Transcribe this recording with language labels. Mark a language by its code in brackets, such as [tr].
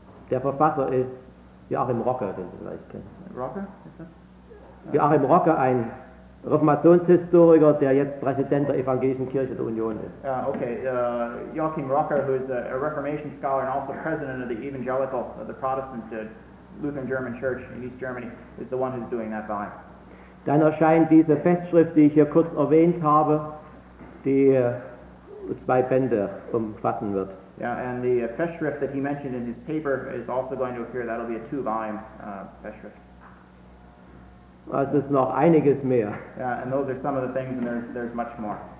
[de] Der Verfasser ist Joachim Rocker, den Sie vielleicht kennen. Rocker? Joachim Rocker, ein Reformationshistoriker, der jetzt Präsident der Evangelischen Kirche der Union ist. [en] Joachim Rocker, who is a Reformation scholar and also president of the Evangelical, the Protestant Lutheran German Church in East Germany, is the one who's doing that volume. [de] Dann erscheint diese Festschrift, die ich hier kurz erwähnt habe, die 2 Bände umfassen wird. [en] Yeah, and the Festschrift that he mentioned in his paper is also going to appear. That'll be a 2-volume Festschrift. [de] Es ist noch einiges mehr. [en] Yeah, and those are some of the things, and there's much more.